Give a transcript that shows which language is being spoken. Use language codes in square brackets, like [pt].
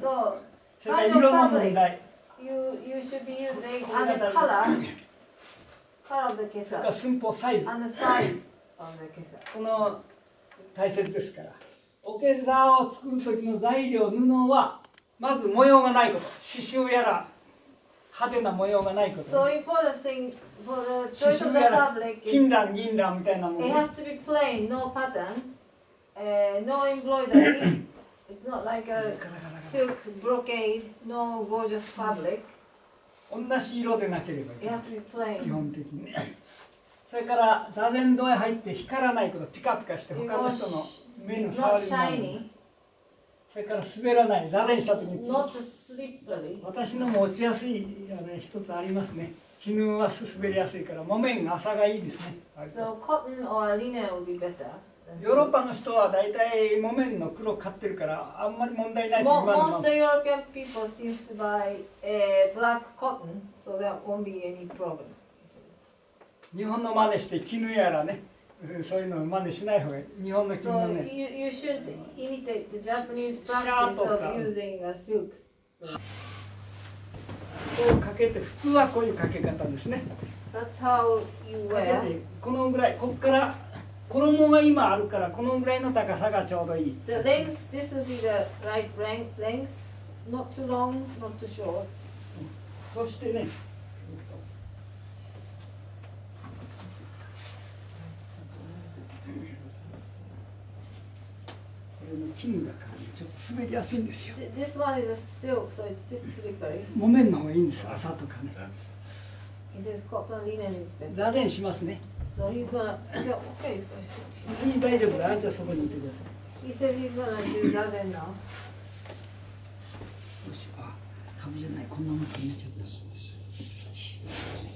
[ja] そう。それから色の問題。 [en] You should be using the color of the kesa. [ja] それから寸法、サイズ。 [en] And the size of the kesa. [ja] この大切ですから。桶さんを作る時の材料、布は、まず模様がないこと。刺繍やら、派手な模様がないこと、ね。 [en] So important thing for the choice of the fabric is [ja] 金蘭、銀蘭みたいなもの、 [en] ね。It has to be plain, no pattern, no embroidery. It's not like a silk brocade, no gorgeous fabric. [ja] 同じ色でなければいけない。 [en] It has to be plain. [ja] 基本的にね。それから、座禅堂へ入って光らないこと、ピカピカして他の人の目の触りになる。それから滑らない、座禅したときに私のも落ちやすい、ね、一つありますね。絹は滑りやすいから、木綿、麻がいいですね。 [en] So, cotton or linen would be better. [ja] ヨーロッパの人は大体木綿の黒を買ってるから、あんまり問題ないです。 [en] Most European people seem to buy black cotton, so there won't be any problem. [ja] 日本の真似して絹やらね。そういうのを真似しない方がいい。日本の絹のね。 [en] So you should imitate the Japanese practice of using a silk. [ja] こうかけて、普通はこういうかけ方ですね。 [en] That's how you wear. [ja] かけて、このぐらい、こっから衣が今あるから、このぐらいの高さがちょうどいい。 [en] The length, this would be the right length. Not too long, not too short. [ja] そしてね、絹だからちょっと滑りやすいんですよ。 [en] This one is a silk, so it's a bit slippery. [ja] 木綿の方がいいんです、麻とかね。 [en] He says cotton linen is better. [ja] 座禅しますね。 [en] So he's gonna... Yeah, okay. [ja] いい、大丈夫だ。あんたはそこにいてください。 [en] He says he's gonna do 座禅now. [ja] よし、あ、株じゃない。こんなもん気に入っちゃった。そうです。